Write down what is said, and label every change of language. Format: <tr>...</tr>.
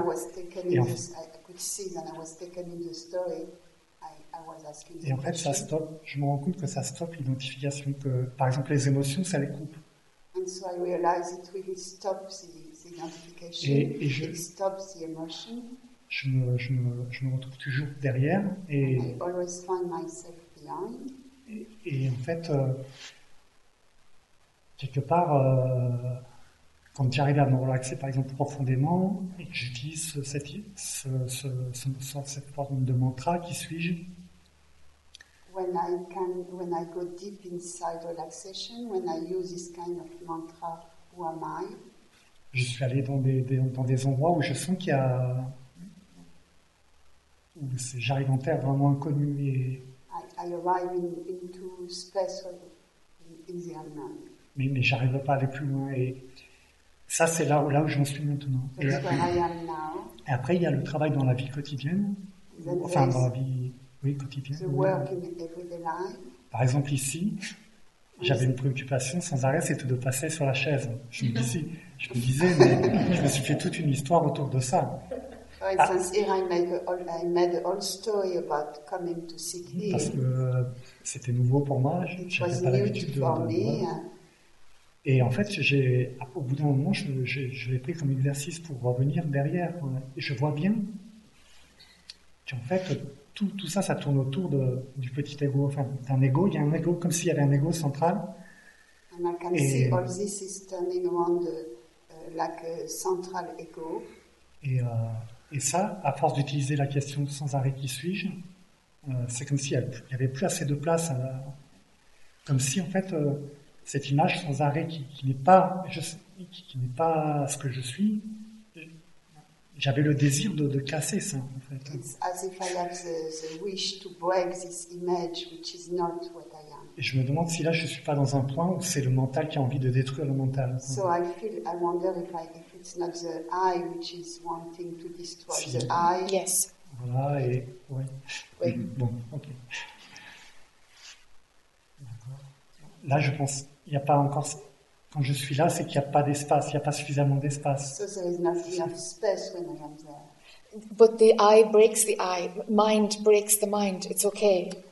<en>I was taken in this, I could see that I was taken in the story, I was asking the</en> <fr>Et en fait,</fr> <en>question.</en> <fr>Ça stoppe, je me rends compte que ça stoppe l'identification, que par exemple les émotions, ça les coupe.</fr> <en>And so I realized it really stops the identification, it stops the emotion.</en> <fr>Je me retrouve toujours derrière et</fr> <en>I always find myself behind.</en> <fr>Et en fait, quelque part, quand j'arrive à me relaxer, par exemple, profondément, et que j'utilise cette forme de mantra, qui suis-je?</fr> <en>When I go deep inside relaxation, when I use this kind of mantra, who am I?</en> <fr>Je suis allé dans des endroits où je sens qu'il y a... où c'est, j'arrive en terre vraiment inconnue et...</fr> <en>I arrive into space of the unknown.</en> <fr>Mais j'arrive pas à aller plus loin et... ça, c'est là où j'en suis maintenant. Et après,</fr> <en>where I am now.</en> <fr>Et après, il y a le travail dans la vie quotidienne.</fr> <en>The work in everyday life.</en> <fr>Par exemple, ici, j'avais une préoccupation sans arrêt, c'était de passer sur la chaise. Je me disais, mais je me suis fait toute une histoire autour de ça.</fr> <en>For instance, here I made a whole story about coming to Sydney.</en> <fr>Parce que c'était nouveau pour moi, je n'avais pas l'habitude de voir. Et en fait, au bout d'un moment, je l'ai pris comme exercice pour revenir derrière. Et je vois bien qu'en fait, tout ça, ça tourne autour du petit ego, enfin, d'un ego. Il y a un ego, comme s'il y avait un ego central.</fr> <en>And I can see all this is turning around like a central ego.</en> <fr>Et ça, à force d'utiliser la question sans arrêt, qui suis-je, c'est comme s'il n'y avait plus assez de place. Comme si, en fait... cette image sans arrêt qui n'est pas ce que je suis, j'avais le désir de casser ça, en fait.</fr> <en>It's as if I have the wish to break this image which is not what I am.</en> <fr>Et je me demande si là je suis pas dans un point où c'est le mental qui a envie de détruire le mental.</fr> <en>So I wonder if it's not the I which is wanting to destroy the I. Yes.</en> <fr>Voilà et ouais. Oui. Bon, ok. Là, je pense, il n'y a pas encore. Quand je suis là, c'est qu'il n'y a pas d'espace, il n'y a pas suffisamment d'espace.</fr> <en>So there is not enough space when I am there. But the eye breaks the eye, mind breaks the mind, it's okay.</en>